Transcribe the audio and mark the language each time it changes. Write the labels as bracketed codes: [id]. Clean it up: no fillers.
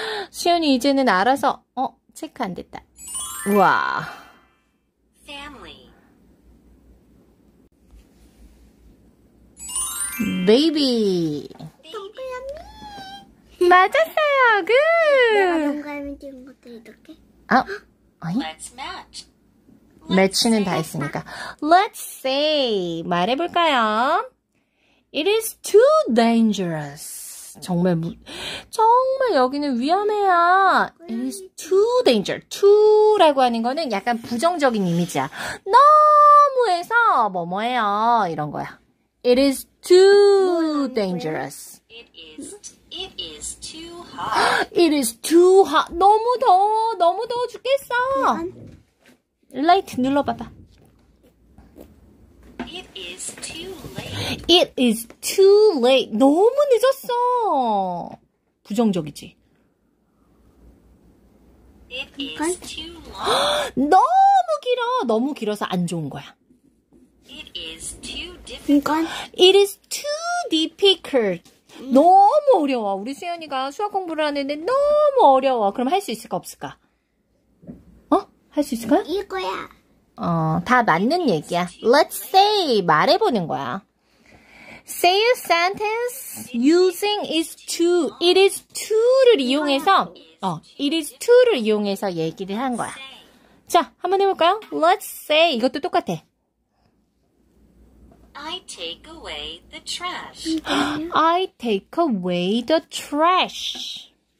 [ko] 시윤이 이제는 알아서 어 체크 안 됐다. [en] 와. Family. Baby. [ko] 동그라미. 맞았어요. 그. 내가 동그라미 찍은 것도 이렇게. 아. [en] 아니. Let's match. [ko] 매치는 다 했으니까. [en] Let's say [ko] 말해볼까요? [en] It is too dangerous. [ko] 정말 정말 여기는 위험해요. [en] It is too dangerous. [ko] Too라고 하는 거는 약간 부정적인 이미지야. 너무해서 뭐뭐해요 이런 거야. [en] It is too dangerous. It is too hot. It is too hot. [ko] 너무 더워. 너무 더워 죽겠어. 라이트 눌러봐봐. [en] It is too late. It is too late. [ko] 너무 늦었어. 부정적이지? [en] It is too long. [ko] 너무 길어. 너무 길어서 안 좋은 거야. [en] It is too difficult. It is too difficult. [ko] 너무 어려워. 우리 수연이가 수학 공부를 하는데 너무 어려워. 그럼 할 수 있을까 없을까? 어? 할 수 있을까요? 이거야. 어, 다 맞는 얘기야. [en] Let's say [ko] 말해보는 거야. [en] Say a sentence using is too. It is too [ko] 를 이용해서 어, it is too를 이용해서 얘기를 한 거야. 자, 한번 해볼까요? [en] Let's say [ko] 이것도 똑같아. [en] I take away the trash. I take away the trash.